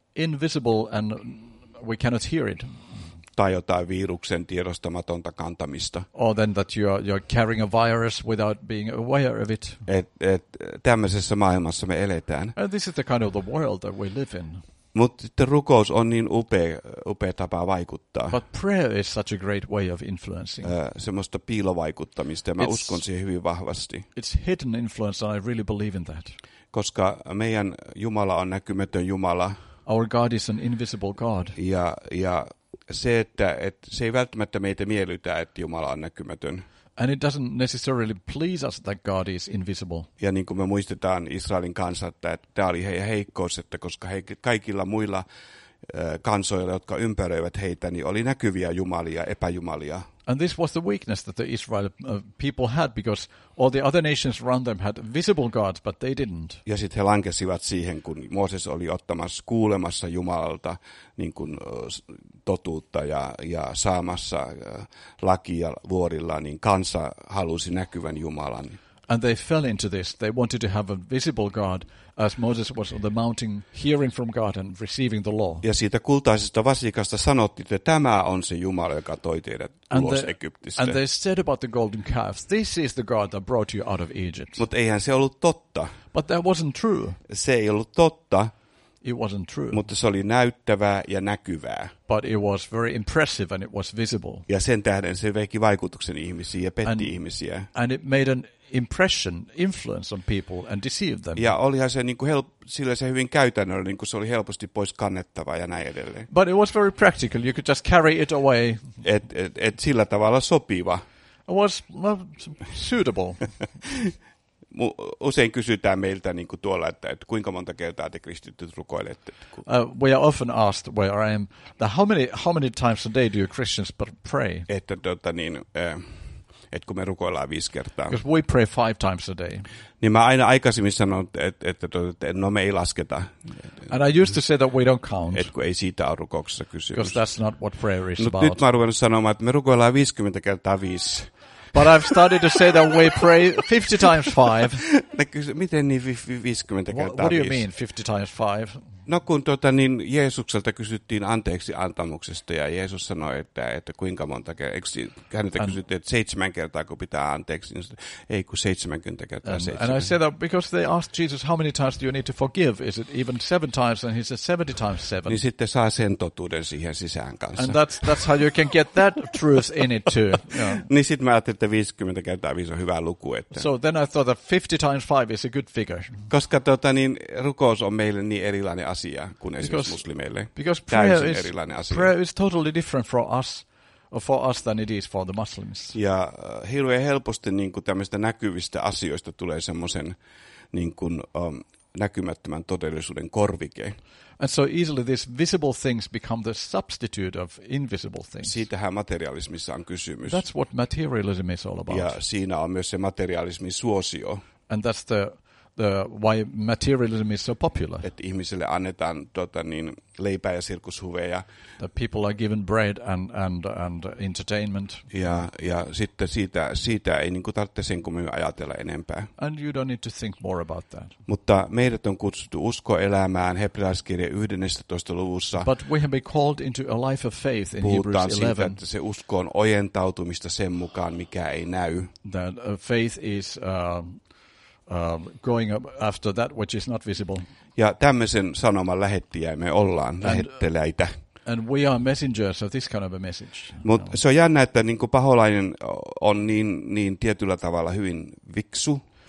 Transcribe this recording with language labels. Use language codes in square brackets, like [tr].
[en] Invisible and we cannot hear it. [fi] Tai jotain viruksen tiedostamatonta kantamista. [en] Or then that you're carrying a virus without being aware of it. [fi] Et tämmöisessä maailmassa me eletään. [en] And this is the kind of the world that we live in. [fi] Mutta sitten rukous on niin upea tapa vaikuttaa. [en] But prayer is such a great way of influencing. [fi] Semmoista piilovaikuttamista, ja mä uskon siihen hyvin vahvasti. [en] It's hidden influence and I really believe in that. [fi] Koska meidän Jumala on näkymätön Jumala. [en] Our God is an invisible God. [fi] Ja se, että se ei välttämättä meitä miellytä, että Jumala on näkymätön. [en] And it doesn't necessarily please us that God is invisible. [fi] Ja niin kuin me muistetaan Israelin kansa, että tämä oli heidän heikkous, että koska kaikilla muilla kansoilla, jotka ympäröivät heitä, niin oli näkyviä jumalia, epäjumalia. [en] And this was the weakness that the Israel people had, because all the other nations around them had visible gods, but they didn't. [fi] Ja sitten he lankesivat siihen, kun Mooses oli ottamassa kuulemassa Jumalalta niin kuin totuutta ja saamassa lakia vuorilla, niin kansa halusi näkyvän Jumalan. [en] And they fell into this. They wanted to have a visible God, as Moses was on the mountain, hearing from God and receiving the law. [fi] Ja siitä kultaisesta vasikasta sanottiin, että tämä on se Jumala, joka toi teidät ulos Egyptistä. [en] And they said about the golden calf, this is the God that brought you out of Egypt. [fi] Mutta eihän se ollut totta. [en] But that wasn't true. [fi] Se ei ollut totta. [en] It wasn't true. [fi] Mutta se oli näyttävää ja näkyvää. [en] But it was very impressive and it was visible. [fi] Ja sen tähden se veikki vaikutuksen ihmisiin ja petti ihmisiä. [en] And it made an impression, influence on people and deceived them. [fi] Ja olihan se niin kuin sillä se hyvin käytännöllinen, niin kuin se oli helposti pois kannettava ja näin edelleen. [en] But it was very practical. You could just carry it away. [fi] Et sillä tavalla sopiva. [en] It was suitable. [fi] Usein kysytään meiltä niin kuin tuolla, että kuinka monta kertaa te kristityt rukoilette. [en] We are often asked where I am. How many times a day do you Christians pray? [fi] Että kun me rukoillaan 5 kertaa. [en] Because we pray 5 times a day. [fi] Niin mä aina aikaisemmin sanon, että no me ei lasketa. [en] And I used to say that we don't count. [fi] Että kun ei siitä ole rukouksessa kysymys. [en] Because that's not what prayer is [fi] Mut [en] about. [fi] Nyt mä oon ruvennut sanomaan, että me rukoillaan 50 kertaa 5. [en] But I've started to say that we pray 50 times 5. [fi] Miten niin 50 kertaa 5? [en] What do you mean 50 times 5? [fi] No kun niin Jeesukselta kysyttiin anteeksi antamuksesta ja Jeesus sanoi, että kuinka monta kertaa, eikö häneltä kysyttiin, että 7 kertaa kun pitää anteeksi, niin sanoi, ei kun 70 kertaa 7. [en] And I said that because they asked Jesus how many times do you need to forgive, is it even 7 times, and he said 70 times 7. [fi] Niin sitten saa sen totuuden siihen sisään kanssa. [en] And that's how you can get that truth in it too. Yeah. [fi] Niin sitten mä ajattelin, että 50 kertaa 5 on hyvä luku. Että. [en] So then I thought that 50 times 5 is a good figure. [fi] Koska niin rukous on meille niin erilainen asia kuin esimerkiksi muslimeille. [en] Because prayer is totally different for us than it is for the Muslims. [fi] Ja hirveän helposti niin kuin tämmöistä näkyvistä asioista tulee semmoisen niin kuin näkymättömän todellisuuden korvike. [en] And so easily these visible things become the substitute of invisible things. [fi] Siitähän materialismissa on kysymys. [en] That's what materialism is all about. [fi] Ja siinä on myös se materialismin suosio. [en] And that's the why materialism is so popular. [fi] Että ihmisille annetaan leipää ja sirkushuveja. [en] That people are given bread and entertainment. [fi] Ja sitten siitä ei niinku tarvitse sen kummin ajatella enempää. [en] And you don't need to think more about that. [fi] Mutta meidät on kutsuttu usko elämään hebrealaiskirje 11. luvussa. [en] But we have been called into a life of faith in Hebrews [fi] 11. Puhutaan siitä, että se usko on ojentautumista sen mukaan, mikä ei näy. [en] That faith is going up after that which is not visible. [fi] Ja tämmöisen sanoman lähettiä me ollaan, lähetteleitä. [en] And we are messengers of this kind of a message. [fi] Mut se on jännä, että niinku paholainen on niin tietyllä tavalla hyvin fiksu.